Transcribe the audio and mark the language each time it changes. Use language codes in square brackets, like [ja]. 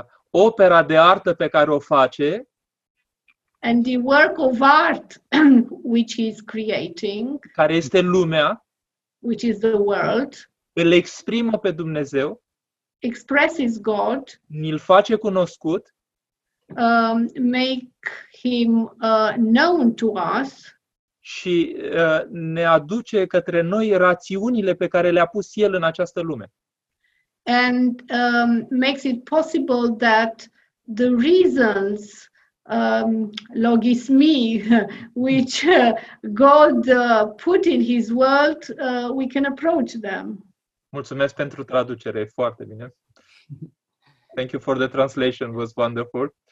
[ro] Opera de artă pe care o face. [en] And the work of art which is creating. [ro] Care este lumea. [en] Which is the world. [ro] Îl exprimă pe Dumnezeu. [en] Expresses God. [ro] Îl face cunoscut. [en] Make him known to us. [ro] Și ne aduce către noi rațiunile pe care le-a pus el în această lume. [en] And makes it possible that the reasons, logismi, which God put in his world, we can approach them. [ro] Mulțumesc pentru traducere, foarte bine. [en] Thank you for the translation, it was wonderful.